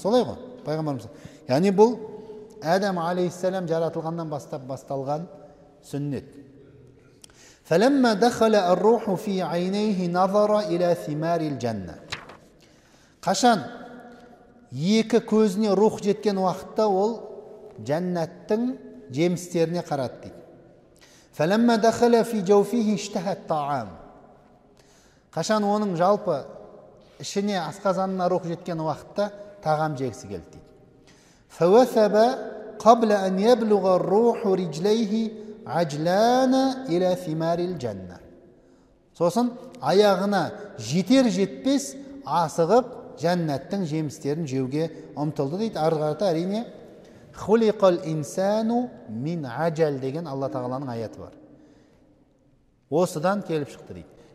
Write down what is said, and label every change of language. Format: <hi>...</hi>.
<kk>Солай ғой пайғамбарымыз. Яғни бұл Адам алейхиссалам жаратылғаннан бастап басталған сүннет.</kk> <ar>فَلَمَّا دَخَلَ الرُّوحُ فِي عَيْنَيْهِ نَظَرَ إِلَى ثِمَارِ الْجَنَّةِ</ar> <kk>Қашан екі көзіне рух жеткен уақытта ол жәннаттың жемістеріне қарады дейді.</kk> <ar>فلما دخل في جوفه اشتهى الطعام</ar> <kk>Қашан оның жалпы ішіне, асқазанына рух жеткен уақытта тағам жегісі келді дейді.</kk> <ar>فوثب قبل ان يبلغ الروح رجليه عجلانا الى ثمار الجنه</ar> <kk>Сосын аяғына жетер жетпес асығып жәннаттың жемістерін жеуге ұмтылды дейді. Арғарта әрине</kk> <ar>خُلِقَ الْإِنْسَانُ مِنْ عَجَلٍ</ar> <kk>деген Алла Тағаланың аяты бар. Осыдан келіп шықты дейді.</kk>